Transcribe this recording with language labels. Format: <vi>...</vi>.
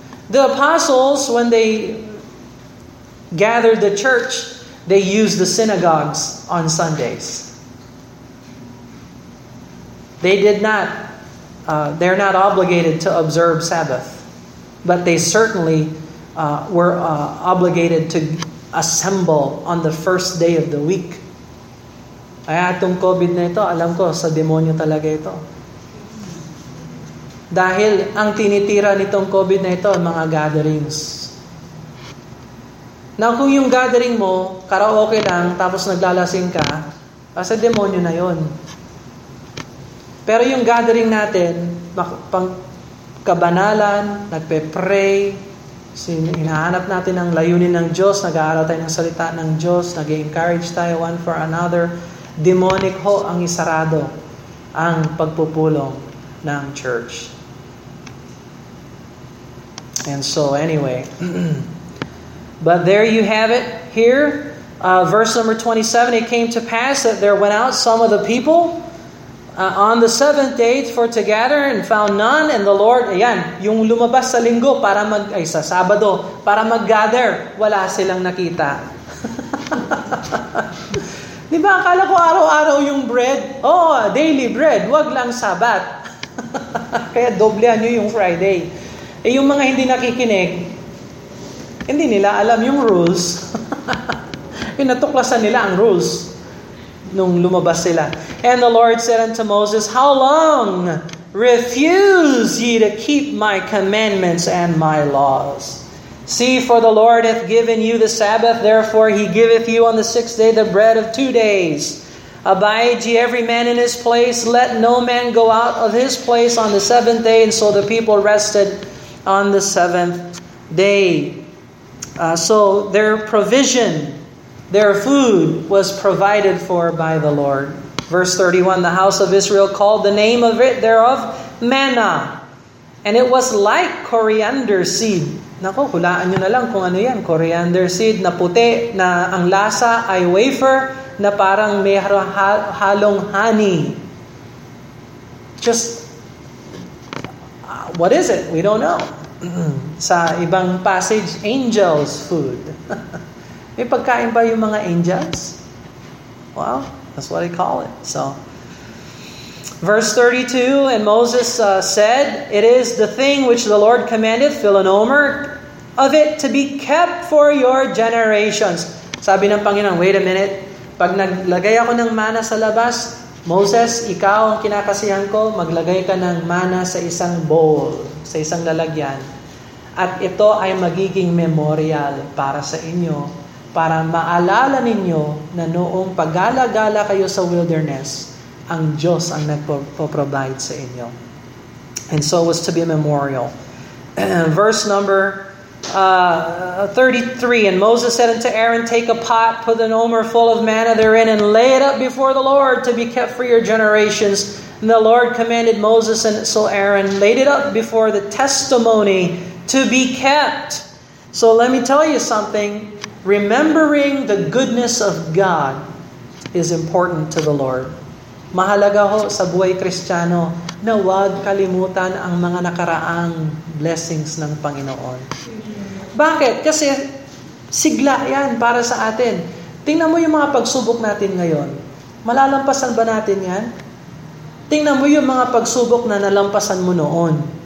<en>The apostles, when they gathered the church, they used the synagogues on Sundays. They did not, they're not obligated to observe Sabbath, but they certainly were obligated to assemble on the first day of the week.</en> <tl>Kaya itong COVID na ito, alam ko, sa demonyo talaga ito. Dahil ang tinitira nitong COVID na ito, mga gatherings. Na kung yung gathering mo, karaoke lang, tapos naglalasing ka, kasi demonyo na yon. Pero yung gathering natin, pangkabanalan, nagpe-pray, hinahanap natin ang layunin ng Diyos, nag-aaral tayo ng salita ng Diyos, nag-encourage tayo</tl> <en>one for another,</en> <tl>demonic ho ang isarado ang pagpupulong ng church.</tl> <en>And so anyway, but there you have it here. Verse number 27, it came to pass that there went out some of the people on the seventh day for to gather and found none. And the Lord,</en> <tl>ayan, yung lumabas sa linggo para mag, ay sa Sabado, para mag-gather, wala silang nakita. Di ba, akala ko araw-araw yung bread? Oh,</tl> <en>daily bread,</en> <tl>wag lang Sabat. Kaya doblehan nyo yung Friday. Eh, yung mga hindi nakikinig, hindi nila alam yung rules. Eh, natuklasan nila ang rules nung lumabas sila.</tl> <en>And the Lord said unto Moses, how long refuse ye to keep my commandments and my laws? See, for the Lord hath given you the Sabbath, therefore he giveth you on the sixth day the bread of 2 days. Abide ye every man in his place, let no man go out of his place on the seventh day. And so the people rested on the seventh day. So their provision, their food was provided for by the Lord. Verse 31, the house of Israel called the name of it thereof manna. And it was like coriander seed.</en> <tl>Naku, hulaan nyo na lang kung ano yan. Coriander seed na puti, na ang lasa ay wafer, na parang may halong honey.</tl> <en>Just, what is it? We don't know.</en> <tl>Sa ibang passage, angels' food. May pagkain ba yung mga angels?</tl> <en>Well, that's what they call it. So, verse 32, and Moses said, it is the thing which the Lord commanded, fill an omer of it to be kept for your generations.</en> <tl>Sabi ng Panginoon,</tl> <en>wait a minute.</en> <tl>Pag naglagay ako ng mana sa labas, Moses, ikaw ang kinakasihan ko, maglagay ka ng mana sa isang bowl, sa isang lalagyan. At ito ay magiging memorial para sa inyo, para maalala ninyo na noong paggala-gala kayo sa wilderness, ang Diyos ang nagpo-provide sa inyo.</tl> <en>And so it was to be a memorial. Verse number 33, and Moses said unto Aaron, take a pot, put an omer full of manna therein, and lay it up before the Lord to be kept for your generations. And the Lord commanded Moses, and so Aaron laid it up before the testimony to be kept. So let me tell you something. Remembering the goodness of God is important to the Lord.</en> <tl>Mahalaga ho sa buhay Kristiyano na huwag kalimutan ang mga nakaraang blessings ng Panginoon. Bakit? Kasi sigla yan para sa atin. Tingnan mo yung mga pagsubok natin ngayon. Malalampasan ba natin yan? Tingnan mo yung mga pagsubok na nalampasan mo noon.</tl>